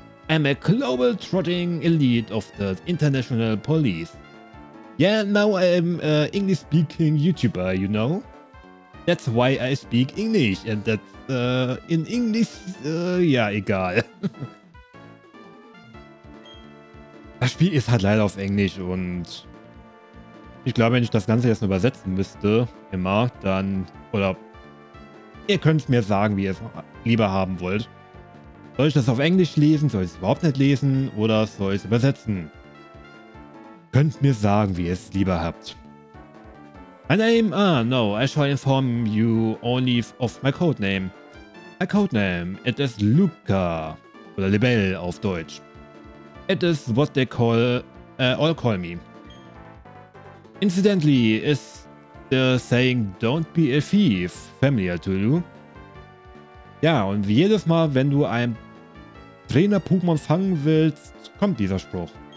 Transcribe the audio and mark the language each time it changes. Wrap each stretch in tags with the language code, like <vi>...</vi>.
<en>I'm a global trotting elite of the international police. Yeah, now I'm an English-speaking YouTuber, you know? That's why I speak English, and that's in English, yeah, egal.</en> <de>Das Spiel ist halt leider auf Englisch und ich glaube, wenn ich das Ganze jetzt übersetzen müsste, immer, dann, oder ihr könnt es mir sagen, wie ihr es lieber haben wollt. Soll ich das auf Englisch lesen, soll ich es überhaupt nicht lesen oder soll ich es übersetzen? Könnt mir sagen, wie ihr es lieber habt.</de> <en>My name, no, I shall inform you only of my codename. My codename, it is Luca,</en> <de>oder Lebel auf Deutsch.</de> <en>It is what they call, all call me. Incidentally, is the saying don't be a thief familiar to you?</en> <de>Ja, und jedes Mal, wenn du ein Trainer-Pokémon fangen willst, kommt dieser Spruch.</de>